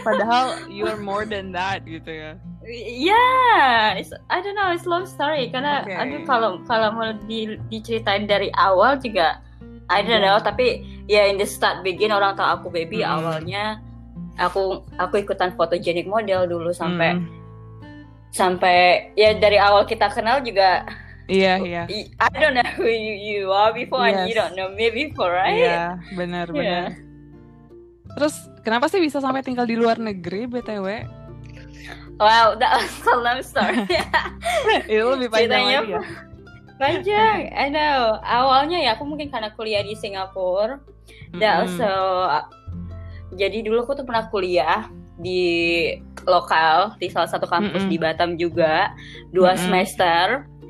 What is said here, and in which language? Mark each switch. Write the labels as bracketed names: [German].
[Indonesian] Padahal [English] you're more than that [Indonesian] gitu ya. [English] Yeah, I don't know, it's long story. [Indonesian] Karena aduh, kalau mau diceritain dari awal juga, [English] I don't know, [Indonesian] tapi ya [English] in the start begin [Indonesian] orang tahu aku baby awalnya aku ikutan photogenic model dulu sampai sampai ya dari awal kita kenal juga. Iya. [English] I don't know who you are before and you don't know me before, right? [Indonesian] Iya, benar. Yeah. Terus kenapa sih bisa sampai tinggal di luar negeri BTW? [English] Wow, that was a long story. [Indonesian] Itu lebih panjang lagi ya. Panjang, [English] I know. [Indonesian] Awalnya ya aku mungkin karena kuliah di Singapura. Dan jadi dulu aku tuh pernah kuliah di lokal, di salah satu kampus di Batam juga. Dua semester.